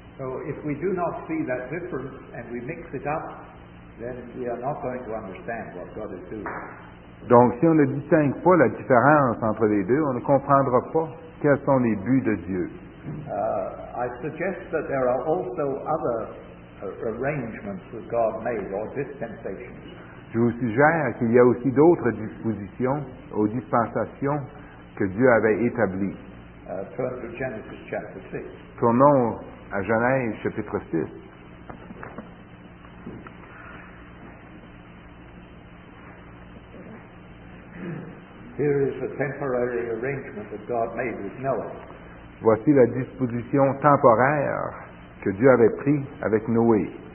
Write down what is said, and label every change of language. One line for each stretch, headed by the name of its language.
English: So if we do not see that difference and we mix it up, then we are not going to understand what God is doing.
French: Donc si on ne distingue pas la différence entre les deux, on ne comprendra pas quels sont les buts de Dieu.
English: I suggest that there are also other arrangements that God made or dispensations.
French: Je vous suggère qu'il y a aussi d'autres dispositions aux dispensations que Dieu avait établies.
English: Turn to Genesis chapter 6.
French: Tournons à Genèse chapitre 6.
English: Here is a temporary arrangement that God made with Noah.
French: Voici la disposition temporaire que Dieu avait prise avec Noé.